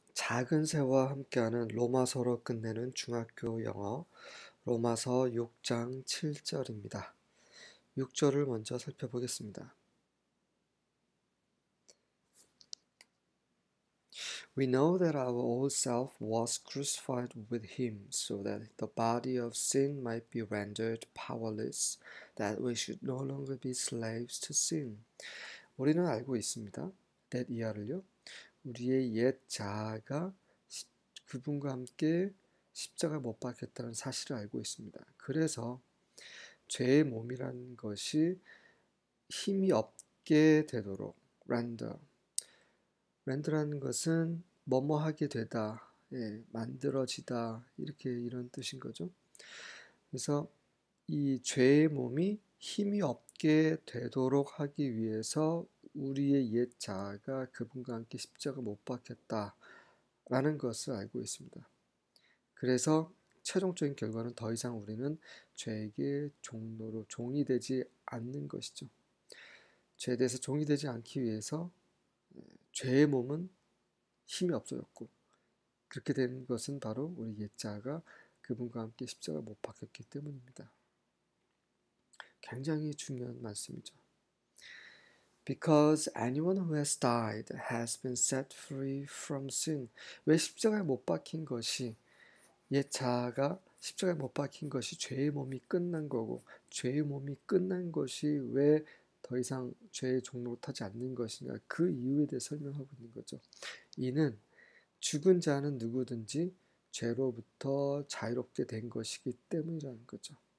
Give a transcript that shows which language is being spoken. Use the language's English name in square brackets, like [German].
[Korean] 작은 새와 함께하는 로마서로 끝내는 중학교 영어 로마서 6장 7절입니다. 6절을 먼저 살펴보겠습니다. [English] We know that our old self was crucified with him so that the body of sin might be rendered powerless, that we should no longer be slaves to sin. [Korean] 우리는 알고 있습니다. That 이하를요. 우리의 옛 자아가 그분과 함께 십자가 못 박혔다는 사실을 알고 있습니다. 그래서 죄의 몸이란 것이 힘이 없게 되도록 render라는 것은 뭐뭐하게 되다, 만들어지다 이렇게 이런 뜻인 거죠. 그래서 이 죄의 몸이 힘이 없게 되도록 하기 위해서 우리의 옛 자아가 그분과 함께 십자가 못 박혔다라는 것을 알고 있습니다. 그래서 최종적인 결과는 더 이상 우리는 죄에게 종노로 종이 되지 않는 것이죠. 죄에 대해서 종이 되지 않기 위해서 죄의 몸은 힘이 없어졌고 그렇게 된 것은 바로 우리 옛 자아가 그분과 함께 십자가 못 박혔기 때문입니다. 굉장히 중요한 말씀이죠. [English] Because anyone who has died has been set free from sin. [Korean] 왜 십자가에 못 박힌 것이 옛 자아가 십자가에 못 박힌 것이 죄의 몸이 끝난 거고 죄의 몸이 끝난 것이 왜더 이상 죄의 종으로 타지 않는 것인가 그 이유에 대해 설명하고 있는 거죠. 이는 죽은 자는 누구든지 죄로부터 자유롭게 된 것이기 때문이라는 거죠.